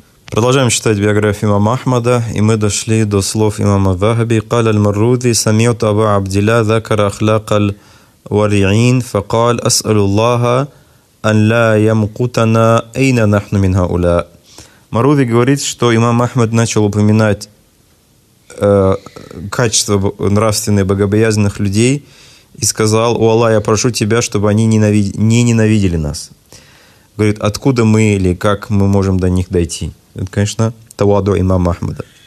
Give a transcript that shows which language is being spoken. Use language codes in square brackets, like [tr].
[ru] Продолжаем читать биографию имама Ахмада, и мы дошли до слов имама Захаби. [ar] قال المروذي سمعت أبو عبد الله ذكر أخلاق الورعين فقال أسأل الله أن لا يمقتنا أين نحن من هؤلاء. [ru] Марузи говорит, что имам Ахмад начал упоминать качества нравственные богобоязненных людей и сказал: «О Аллах, я прошу тебя, чтобы они не ненавидели нас». Говорит, откуда мы или как мы можем до них дойти? Это, конечно, тавадо имама Ахмада.